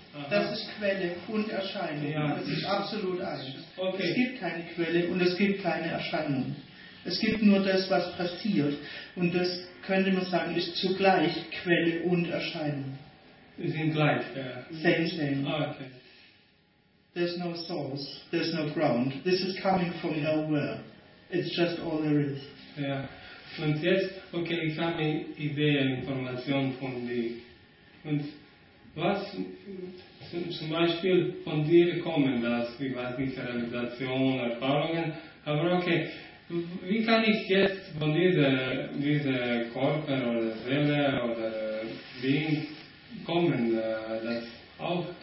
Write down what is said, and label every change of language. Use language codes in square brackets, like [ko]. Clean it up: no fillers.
[de] Das ist Quelle und Erscheinung. Ja. Das ist absolut eins. Okay. Es gibt keine Quelle und es gibt keine Erscheinung. Es gibt nur das, was passiert. Und das, könnte man sagen, ist zugleich Quelle und Erscheinung. Sie sind gleich, ja. [en] Same. Ah, okay. There's no source, there's no ground. This is coming from nowhere. It's just all there is. [de] Ja. Und jetzt, okay, ich habe eine Idee, Information von dir. Und was zum Beispiel von dir kommen, das, ich weiß nicht, Realisation, Erfahrungen, aber okay, wie kann ich jetzt von dieser Körper oder Seele oder Being kommen, das auch?